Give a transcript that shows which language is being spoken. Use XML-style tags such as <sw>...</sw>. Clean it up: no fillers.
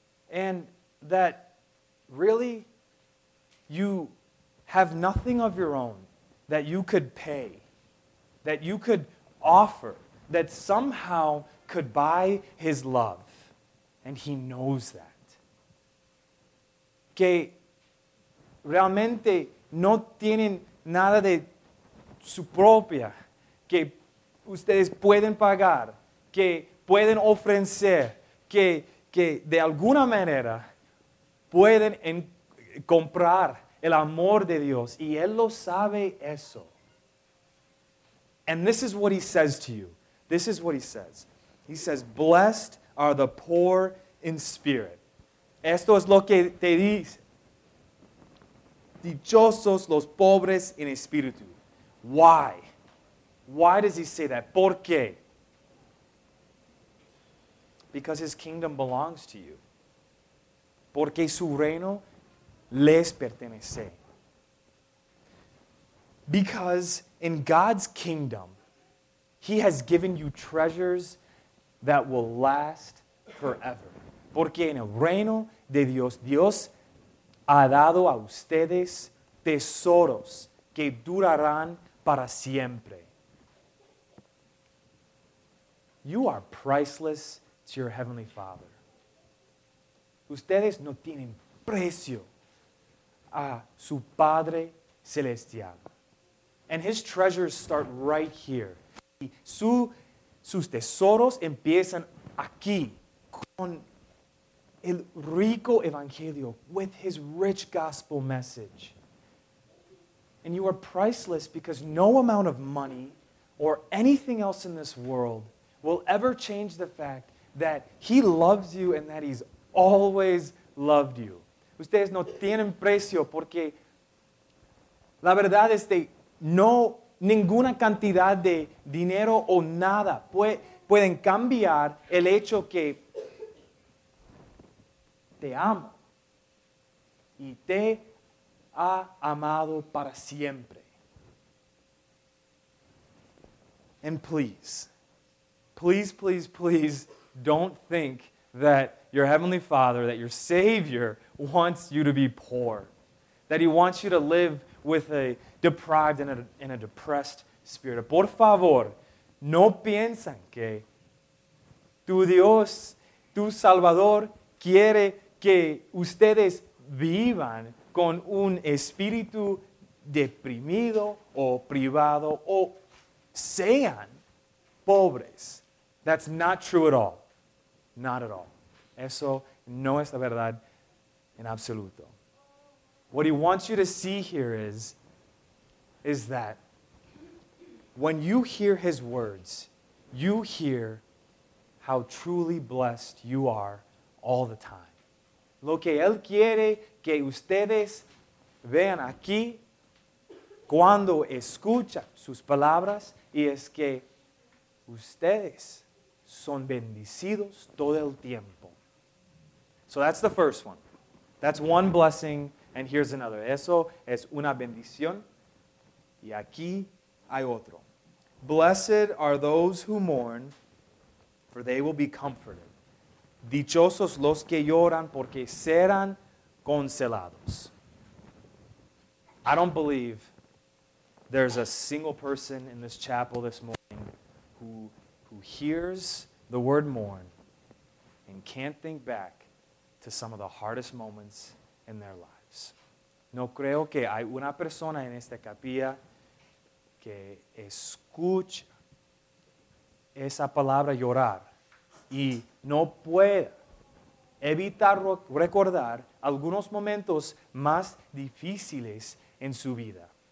<en>And that really you have nothing of your own that you could pay, that you could offer, that somehow could buy his love. And he knows that.</en> <es>Que realmente no tienen nada de su propia, que ustedes pueden pagar, que pueden ofrecer, que de alguna manera pueden comprar el amor de Dios. Y Él lo sabe eso.</es> <en>And this is what he says to you. This is what he says. He says, blessed are the poor in spirit.</en> <es>Esto es lo que te dice. Dichosos los pobres en espíritu.</es> <en>Why? Why does he say that?</en> <es>¿Por qué?</es> <en>Because his kingdom belongs to you.</en> <es>Porque su reino les pertenece.</es> <en>Because in God's kingdom, he has given you treasures that will last forever.</en> <es>Porque en el reino de Dios, Dios ha dado a ustedes tesoros que durarán para siempre.</es> <en>You are priceless to your heavenly Father.</en> <es>Ustedes no tienen precio a su Padre Celestial.</es> <en>And his treasures start right here.</en> <es>Y sus tesoros empiezan aquí con el rico evangelio,</es> <en>with his rich gospel message. And you are priceless because no amount of money or anything else in this world will ever change the fact that he loves you and that he's always loved you.</en> <es>Ustedes no tienen precio porque la verdad es que no ninguna cantidad de dinero o nada pueden cambiar el hecho que te amo y te ha amado para siempre.</es> <en>And please, please, please, please don't think that your Heavenly Father, that your Savior wants you to be poor, that He wants you to live with a deprived and a depressed spirit.</en> <es>Por favor, no piensan que tu Dios, tu Salvador, quiere que ustedes vivan con un espíritu deprimido o privado o sean pobres.</es> <en>That's not true at all. Not at all.</en> <es>Eso no es la verdad en absoluto.</es> <en>What He wants you to see here is that when you hear His words, you hear how truly blessed you are all the time.</en> <es>Lo que Él quiere que ustedes vean aquí cuando escuchan sus palabras y es que ustedes son bendecidos todo el tiempo.</es> <en>So that's the first one. That's one blessing. And here's another.</en> <es>Eso es una bendición. Y aquí hay otro.</es> <en>Blessed are those who mourn, for they will be comforted.</en> <es>Dichosos los que lloran, porque serán consolados.</es> <en>I don't believe there's a single person in this chapel this morning who hears the word mourn and can't think back to some of the hardest moments in their life.</en> <es>No creo que hay una persona en esta capilla que escucha esa palabra llorar y no pueda evitar recordar algunos momentos más difíciles en su vida.</es>